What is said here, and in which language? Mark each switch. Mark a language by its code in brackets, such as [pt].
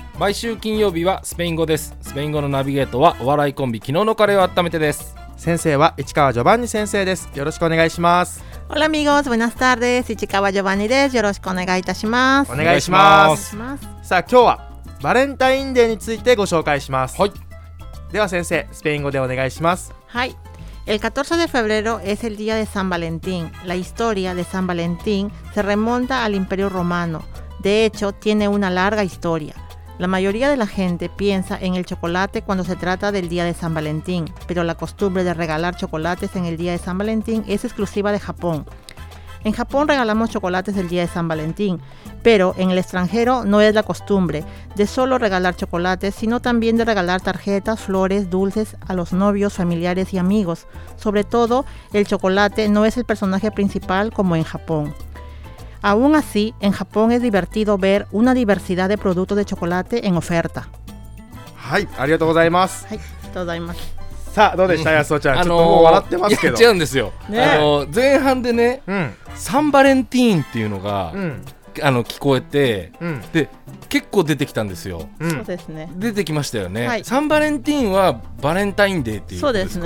[ja] 毎週金曜日はスペイン語です。スペイン語のナビゲートはお笑いコンビ昨日のカレーを温めてです。先生は市川ジョバンニ先生です。よろしくお願いします。 [es] オラミゴーズブナスタール [ja] です。市川ジョバンニです。よろしくお願いいたします。お願いします。さあ今日はバレンタインデーについてご紹介します。はい、では先生スペイン語でお願いします。 [es] はい、El 14 de febrero es el día de San Valentín. La historia de San Valentín se remonta al Imperio Romano. De hecho, tiene una larga historia. La mayoría de la gente piensa en el chocolate cuando se trata del día de San Valentín, pero la costumbre de regalar chocolates en el día de San Valentín es exclusiva de Japón. En Japón regalamos chocolates el día de San Valentín, pero en el extranjero no es la costumbre de solo regalar chocolates, sino también de regalar tarjetas, flores, dulces a los novios, familiares y amigos. Sobre todo, el chocolate no es el personaje principal como en Japón. Aún así, en Japón es divertido ver una diversidad de productos de chocolate en oferta. [ja] ¡Ay! ¡Ariga todo daimasu! ¡Ay! ¡Todo daimasu! さあどうでした、うん、やすおちゃん、ちょっともう笑ってますけど。いや違うんですよ、ね、前半でね、うん、サンバレンティーンっていうのが、うん、聞こえて、うん、で結構出てきたんですよ、うん、そうですね、出てきましたよね、はい、サンバレンティーンはバレンタインデーっていうことですか。